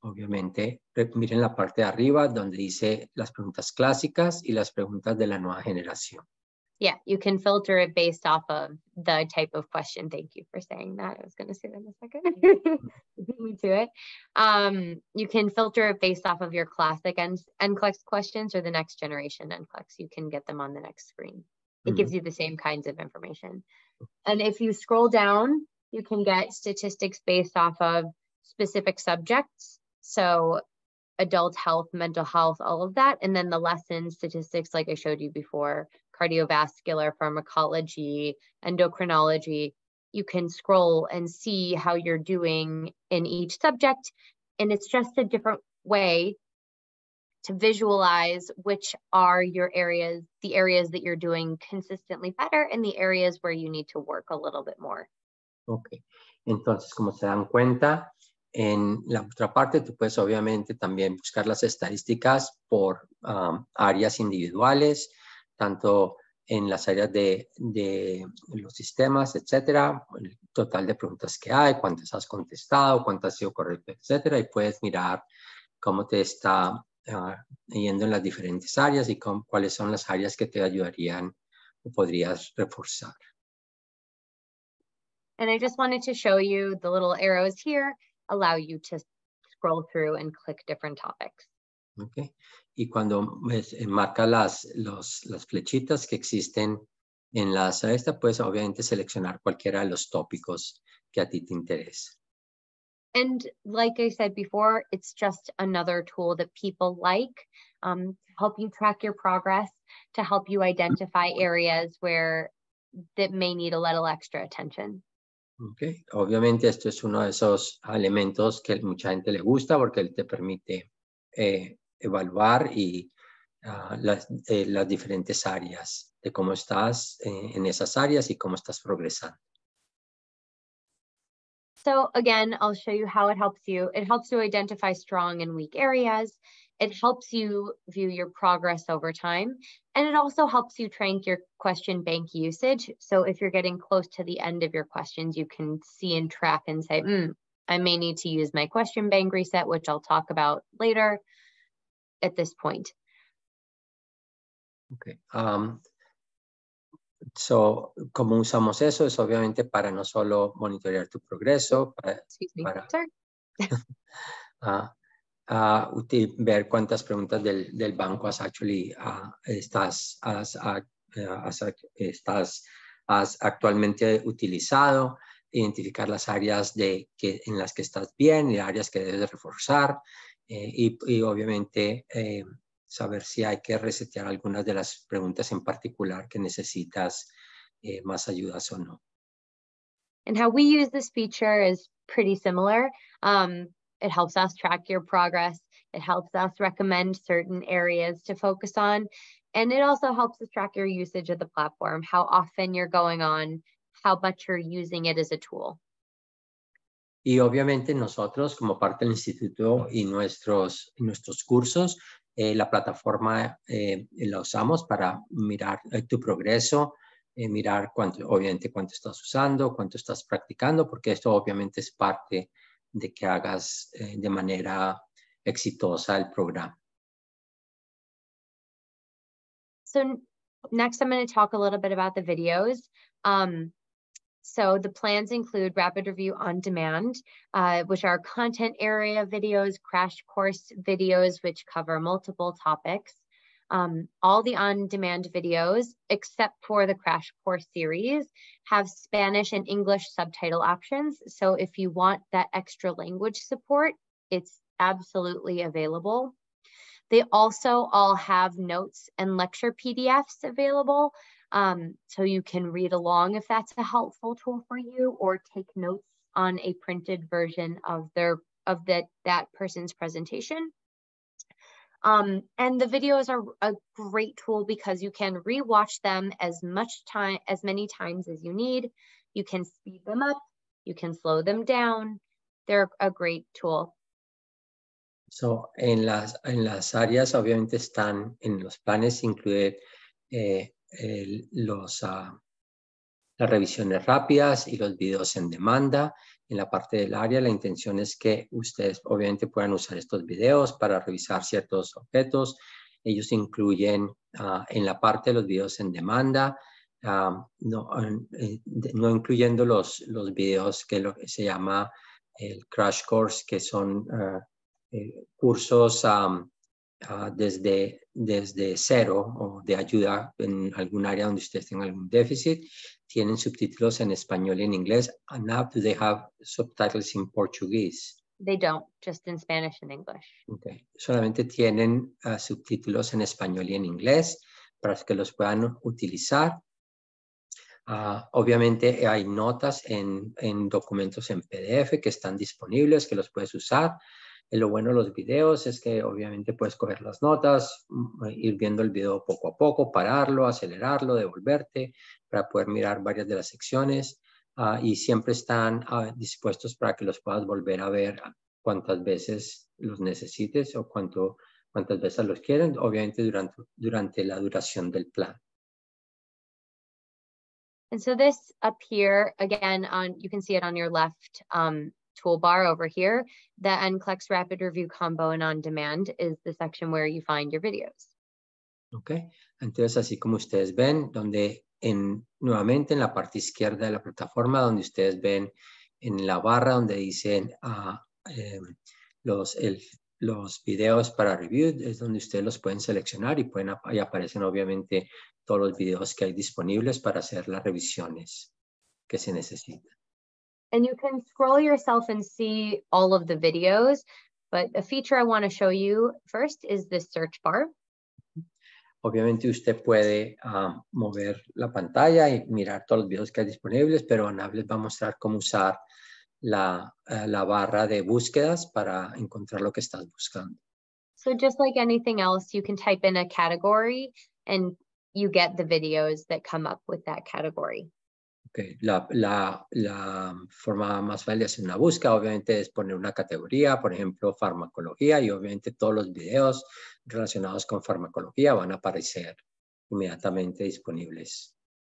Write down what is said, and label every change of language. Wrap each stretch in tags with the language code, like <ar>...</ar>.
<es>Obviamente, miren la parte de arriba donde dice las preguntas clásicas y las preguntas de la nueva generación.</es> <en>Yeah, you can filter it based off of the type of question. Thank you for saying that. I was going to say that in a second. Me to it. You can filter it based off of your classic NCLEX questions or the next generation NCLEX. You can get them on the next screen. It gives you the same kinds of information. And if you scroll down, you can get statistics based off of specific subjects. So adult health, mental health, all of that. And then the lesson statistics, like I showed you before, cardiovascular, pharmacology, endocrinology, you can scroll and see how you're doing in each subject. And it's just a different way to visualize which are your areas, the areas that you're doing consistently better and the areas where you need to work a little bit more. Okay.</en> <es>Entonces, como se dan cuenta, en la otra parte, tú puedes obviamente también buscar las estadísticas por áreas individuales, tanto en las áreas de los sistemas, etcétera, el total de preguntas que hay, cuántas has contestado, cuántas han sido correctas, etcétera, y puedes mirar cómo te está yendo en las diferentes áreas y cuáles son las áreas que te ayudarían o podrías reforzar.</es> <en>And I just wanted to show you the little arrows here allow you to scroll through and click different topics. Okay.</en> <es>Y cuando marca las flechitas que existen en la esta, puedes obviamente seleccionar cualquiera de los tópicos que a ti te interesa.</es> <en>And like I said before, it's just another tool that people like to help you track your progress, to help you identify areas where that may need a little extra attention.</en> <es>Okay, obviamente esto es uno de esos elementos que mucha gente le gusta porque te permite evaluar y las diferentes áreas de cómo estás en esas áreas y cómo estás progresando.</es> <en>So again, I'll show you how it helps you. It helps you identify strong and weak areas. It helps you view your progress over time. And it also helps you track your question bank usage. So if you're getting close to the end of your questions, you can see and track and say, I may need to use my question bank reset, which I'll talk about later at this point. Okay.</en> <es>So, ¿cómo usamos eso? Es obviamente para no solo monitorear tu progreso, ver cuántas preguntas del banco has actualmente utilizado, identificar las áreas en las que estás bien y áreas que debes reforzar, y obviamente saber si hay que resetear algunas de las preguntas en particular que necesitas más ayudas o no.</es> <en>And how we use this feature is pretty similar. It helps us track your progress. It helps us recommend certain areas to focus on. And it also helps us track your usage of the platform, how often you're going on, how much you're using it as a tool.</en> <es>Y obviamente nosotros, como parte del instituto y nuestros cursos, la plataforma la usamos para mirar tu progreso, mirar cuánto estás usando, cuánto estás practicando, porque esto obviamente es parte de que hagas de manera exitosa el programa.</es> <en>So next I'm going to talk a little bit about the videos. So the plans include rapid review on demand, which are content area videos, crash course videos, which cover multiple topics. All the on-demand videos, except for the crash course series, have Spanish and English subtitle options. So if you want that extra language support, it's absolutely available. They also all have notes and lecture PDFs available. So you can read along if that's a helpful tool for you, or take notes on a printed version of that person's presentation. And the videos are a great tool because you can rewatch them as many times as you need. You can speed them up, you can slow them down. They're a great tool.</en> <es>So en las áreas obviamente están en los planes incluye las revisiones rápidas y los videos en demanda. En la parte del área, la intención es que ustedes obviamente puedan usar estos videos para revisar ciertos objetos. Ellos incluyen en la parte de los videos en demanda, no incluyendo los videos que lo que se llama el Crash Course, que son cursos desde cero o de ayuda en algún área donde ustedes tengan algún déficit. Tienen subtítulos en español y en inglés.</es> <en>And now, do they have subtitles in Portuguese? They don't, just in Spanish and English. Okay.</en> <es>Solamente tienen subtítulos en español y en inglés para que los puedan utilizar. Obviamente hay notas en documentos en PDF que están disponibles, que los puedes usar. Lo bueno de los videos es que obviamente puedes coger las notas, ir viendo el video poco a poco, pararlo, acelerarlo, devolverte para poder mirar varias de las secciones. Y siempre están dispuestos para que los puedas volver a ver cuántas veces los necesites o cuántas veces los quieren, obviamente durante la duración del plan.</es> <en>And so this up here, again, you can see it on your left toolbar over here, the NCLEX Rapid Review Combo and On Demand is the section where you find your videos. Okay.</en> <es>Entonces, así como ustedes ven, donde en nuevamente en la parte izquierda de la plataforma, donde ustedes ven en la barra donde dicen los videos para review, es donde ustedes los pueden seleccionar y pueden y aparecen obviamente todos los videos que hay disponibles para hacer las revisiones que se necesitan.</es> <en>And you can scroll yourself and see all of the videos, but a feature I want to show you first is the search bar.</en> <es>Obviamente usted puede mover la pantalla y mirar todos los videos que hay disponibles, pero Ana les va a mostrar cómo usar la barra de búsquedas para encontrar lo que estás buscando.</es> <en>So just like anything else, you can type in a category and you get the videos that come up with that category. Okay.</en> <es>La forma más fácil de hacer una búsqueda, obviamente, es poner una categoría, por ejemplo, farmacología, y obviamente todos los videos relacionados con farmacología van a aparecer inmediatamente disponibles.</es>